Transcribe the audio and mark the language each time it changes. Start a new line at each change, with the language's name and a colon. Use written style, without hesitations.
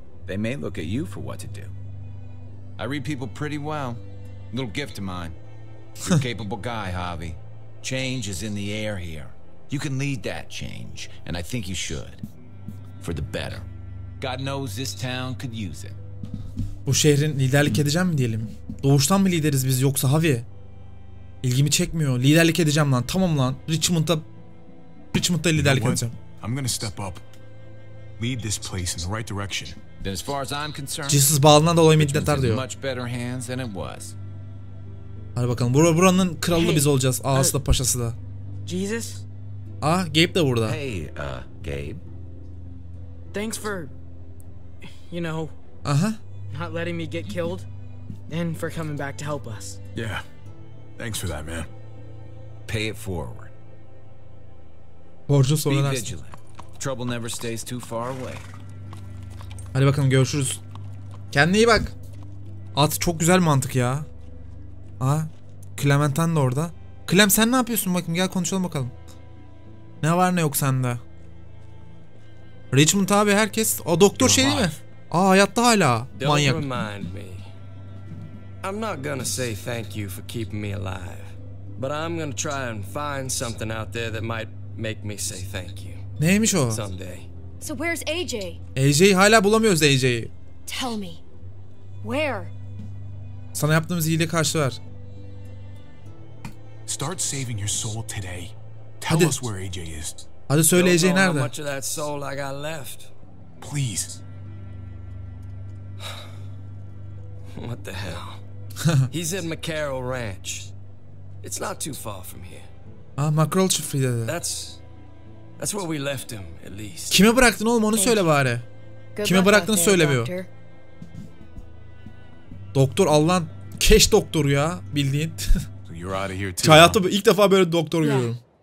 English: They may look at you for what to do. I read people pretty well. Little gift of mine. You're a capable guy, Javi. Change is in the air here. You can lead that change, and I think you should. for the better. God knows this town could use it.
Turkish: Bu şehrin liderlik edeceğim mi diyelim? Doğuştan mı lideriz biz yoksa Javi? İlgimi çekmiyor. Liderlik edeceğim lan. Tamam lan. Richmond'da liderlik edeceğim.
English: I'm gonna step up. Lead this place in the right direction. Then as far as I'm concerned, Jesus
Turkish: bağından dolayı minnettar diyor.
English: Much better hands than it was.
Turkish: Hadi bakalım. Buranın kralı da biz olacağız. Ağası da paşası da.
English: Jesus?
Turkish: Ah, Gabe de burada.
English: Hey, Gabe. Thanks for, you know, not letting me get killed, and for coming back to help us. Yeah, thanks for that, man. Pay it forward.
Turkish: Borcu sonra dersin.
English: Be vigilant. Trouble never stays too far away.
Turkish: Hadi bakalım görüşürüz. Kendine iyi bak. At çok güzel mantık ya. Clementine de orada. Clem sen ne yapıyorsun bakayım, gel konuşalım bakalım. Ne var ne yok sende. Richmond abi herkes. O doktor şey değil mi? Hayatta hala. Manyak.
English: I'm not gonna say thank you for keeping me alive. But I'm gonna try and find something out there that might make me say thank you.
Turkish: Neymiş o?
English: Someday. So where's AJ?
Turkish: AJ'yi hala bulamıyoruz AJ'yi.
English: Tell me. Where?
Turkish: Sana yaptığımız iyiliği karşılar.
English: Start saving your soul today. Tell us where AJ is.
Turkish: Hadi söyle AJ nerede?
English: How much of that soul I got left? Please. What the hell? He's at McCarroll Ranch. It's not too far from here.
Turkish: McCarroll çiftliği dedi.
English: That's where we left him, at least.
Turkish: Kime bıraktın oğlum onu söyle bari. Kime bıraktığını söyle bir o. Doktor Allah'ın keş doktoru ya bildiğin. Hayatta ilk defa böyle doktor görüyorum.